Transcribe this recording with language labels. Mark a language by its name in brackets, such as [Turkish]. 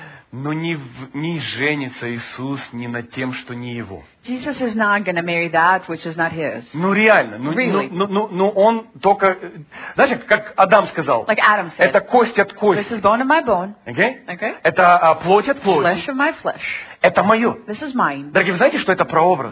[Russian] Но не женится Иисус ни над тем, что не Его. [English] Jesus is not going to marry that which is not His. [Russian] Ну реально, ну [English] really? [Russian] ну он только, знаешь, как Адам сказал. [English] Like Adam said. [Russian] Это кость от кости. [English] This is bone of my bone. Okay? Okay. [Russian] Это плоть от плоти. [English] Flesh of my flesh. [Russian] Это мое. [English] This is mine. [Russian] Дорогие, вы знаете, что это прообраз?